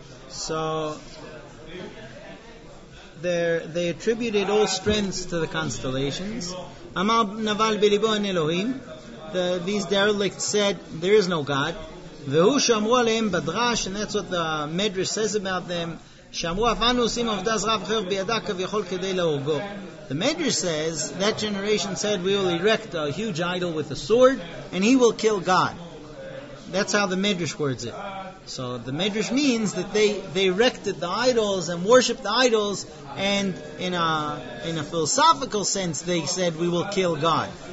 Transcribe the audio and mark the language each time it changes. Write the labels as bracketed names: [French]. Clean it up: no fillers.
[English] So they attributed all strengths to the constellations. [Hebrew] Amar naval b'libo en Elohim. [English] These derelicts said, there is no God. [Hebrew] והוא שאמרו עליהם בדרש, [English] and that's what the Medrash says about them, [Hebrew] שאמרו אבנו עושים עבדה זרה וחרב בידה כביכול כדי להורגו. [English] The Medrash says, that generation said, we will erect a huge idol with a sword, and he will kill God. That's how the Medrash words it. So the Medrash means that they erected the idols and worshipped the idols, and in a philosophical sense, they said, we will kill God.